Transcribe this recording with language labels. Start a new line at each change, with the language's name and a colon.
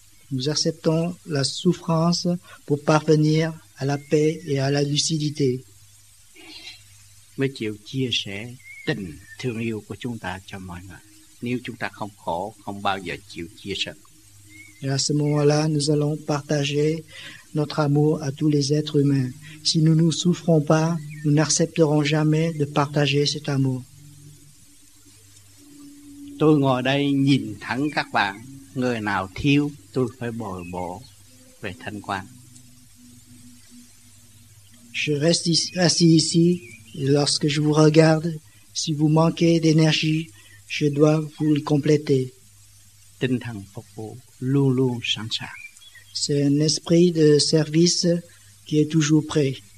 French: Nous acceptons la souffrance pour parvenir à la paix et à la lucidité.
Vietnamese: Mới chịu chia sẻ tình thương yêu của chúng ta cho mọi người. Nếu chúng ta không khổ, không bao giờ chịu chia sẻ.
French: Et à ce moment-là, nous allons partager notre amour à tous les êtres humains. Si nous ne nous souffrons pas, nous n'accepterons jamais de partager cet amour.
Vietnamese: Tôi ngồi đây nhìn thẳng các bạn, người nào thiếu, tôi phải bồi bổ về thanh quan.
French: Je reste assis ici, et lorsque je vous regarde, si vous manquez d'énergie, je dois vous le compléter.
Vietnamese: Tinh thần phục vụ luôn luôn sẵn sàng.
French: C'est un esprit de service qui est toujours prêt.